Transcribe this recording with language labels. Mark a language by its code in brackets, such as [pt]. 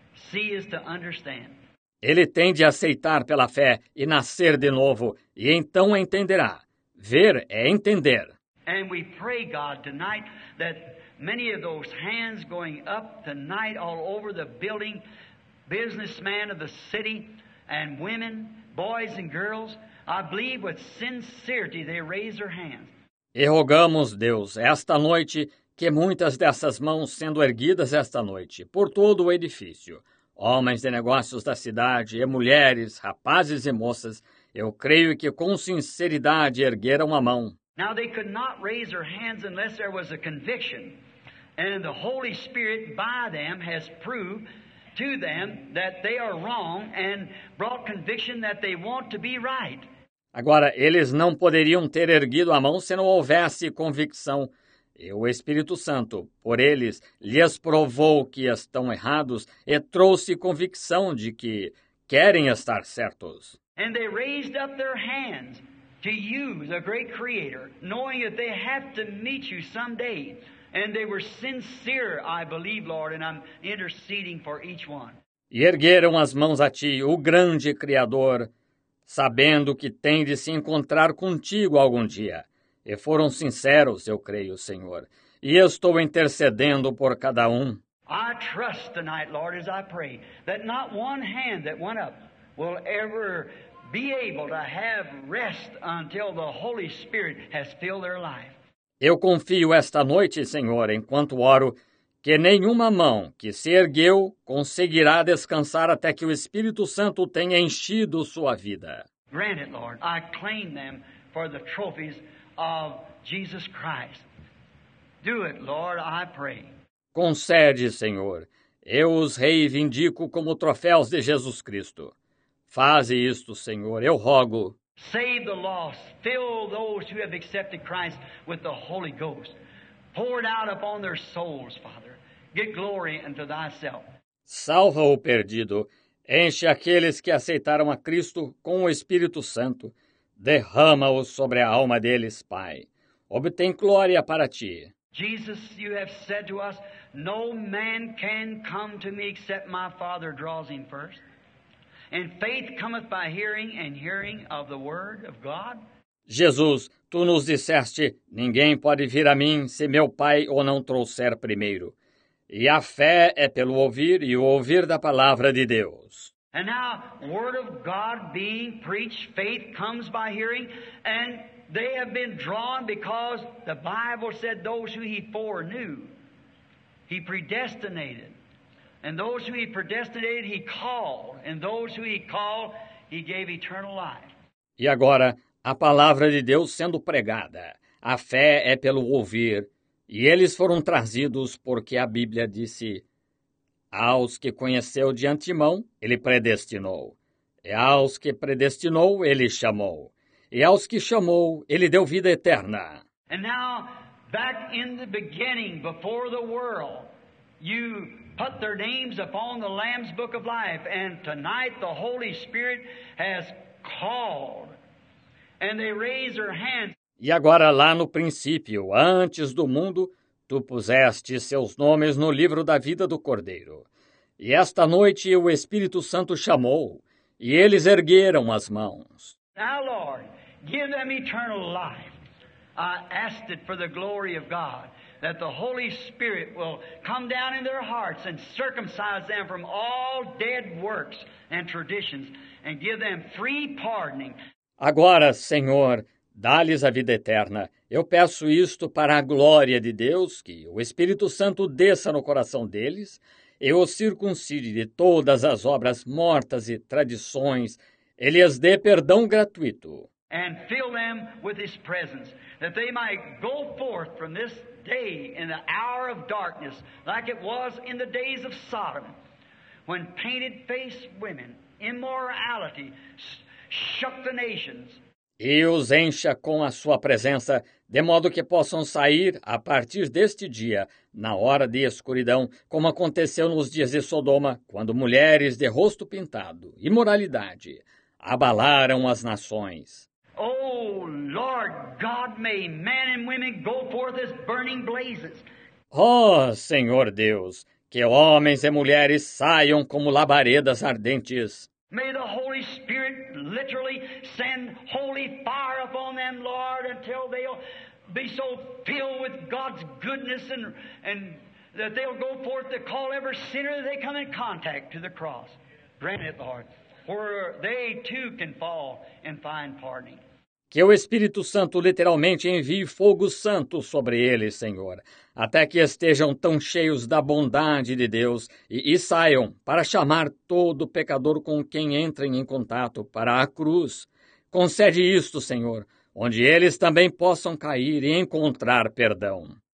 [en] See is to understand. [pt] Ele tem de aceitar pela fé e nascer de novo, e então entenderá. Ver é entender. [en] And we pray, God, tonight that many of those hands going up tonight all over the building, businessmen of the city, and women, boys and girls, I believe with sincerity they raise their hands. [pt] E rogamos, Deus, esta noite, que muitas dessas mãos sendo erguidas esta noite, por todo o edifício, homens de negócios da cidade e mulheres, rapazes e moças, eu creio que com sinceridade ergueram a mão. [en] Now they could not raise their hands unless there was a conviction. And the Holy Spirit by them has proved to them that they are wrong and brought conviction that they want to be right. [pt] Agora, eles não poderiam ter erguido a mão se não houvesse convicção. E o Espírito Santo, por eles, lhes provou que estão errados e trouxe convicção de que querem estar certos. [en] And they raised up their hands to you, the great creator, knowing that they have to meet you someday. And they were sincere, I believe, Lord, and I'm interceding for each one. [pt] E ergueram as mãos a ti, o grande Criador, sabendo que tem de se encontrar contigo algum dia. E foram sinceros, eu creio, Senhor. E estou intercedendo por cada um. [en] I trust tonight, Lord, as I pray, that not one hand that went up will ever be able to have rest until the Holy Spirit has filled their life. [pt] Eu confio esta noite, Senhor, enquanto oro, que nenhuma mão que se ergueu conseguirá descansar até que o Espírito Santo tenha enchido sua vida. [en] Grant it, Lord. I claim them for the trophies of Jesus Christ. Do it, Lord, I pray. [pt] Concede, Senhor. Eu os reivindico como troféus de Jesus Cristo. Faze isto, Senhor. Eu rogo. [en] Save the lost. Fill those who have accepted Christ with the Holy Ghost. Pour it out upon their souls, Father. Get glory unto thyself. [pt] Salva o perdido. Enche aqueles que aceitaram a Cristo com o Espírito Santo. Derrama-o sobre a alma deles, Pai. Obtém glória para ti. [en] Jesus, you have said to us, no man can come to me except my Father draws him first. And faith cometh by hearing, and hearing of the word of God. [pt] Jesus, tu nos disseste, ninguém pode vir a mim se meu Pai o não trouxer primeiro. E a fé é pelo ouvir e o ouvir da palavra de Deus. [en] And now, word of God being preached, faith comes by hearing, and they have been drawn because the Bible said those who he foreknew, he predestinated. And those who he predestinated, he called. And those who he called, he gave eternal life. [pt] E agora, a palavra de Deus sendo pregada. A fé é pelo ouvir. E eles foram trazidos porque a Bíblia disse, aos que conheceu de antemão, ele predestinou. E aos que predestinou, ele chamou. E aos que chamou, ele deu vida eterna. [en] And now, back in the beginning, before the world, you put their names upon the Lamb's Book of Life, and tonight the Holy Spirit has called, and they raise their hands. [pt] E agora, lá no princípio, antes do mundo, tu puseste seus nomes no livro da vida do Cordeiro. E esta noite o Espírito Santo chamou, e eles ergueram as mãos. [en] Now, Lord, give them eternal life. I asked it for the glory of God. that the Holy Spirit will come down in their hearts and circumcise them from all dead works and traditions and give them free pardoning. [pt] Agora, Senhor, dá-lhes a vida eterna. Eu peço isto para a glória de Deus, que o Espírito Santo desça no coração deles e os circuncide de todas as obras mortas e tradições. Ele lhes dê perdão gratuito. [en] And fill them with his presence, that they might go forth from this day in the hour of darkness, like it was in the days of Sodom, when painted-faced women, immorality, shook the nations. [pt] E os encha com a sua presença, de modo que possam sair a partir deste dia, na hora de escuridão, como aconteceu nos dias de Sodoma, quando mulheres de rosto pintado, imoralidade, abalaram as nações. [en] Oh, Lord God, may men and women go forth as burning blazes. [pt] Oh, Senhor Deus, que homens e mulheres saiam como labaredas ardentes. [en] May the Holy Spirit literally send holy fire upon them, Lord, until they'll be so filled with God's goodness and that they'll go forth to call every sinner that they come in contact to the cross. Grant it, Lord. For they too can fall and find pardoning. [pt] Que o Espírito Santo literalmente envie fogo santo sobre eles, Senhor, até que estejam tão cheios da bondade de Deus e saiam para chamar todo pecador com quem entrem em contato para a cruz. Concede isto, Senhor, onde eles também possam cair e encontrar perdão.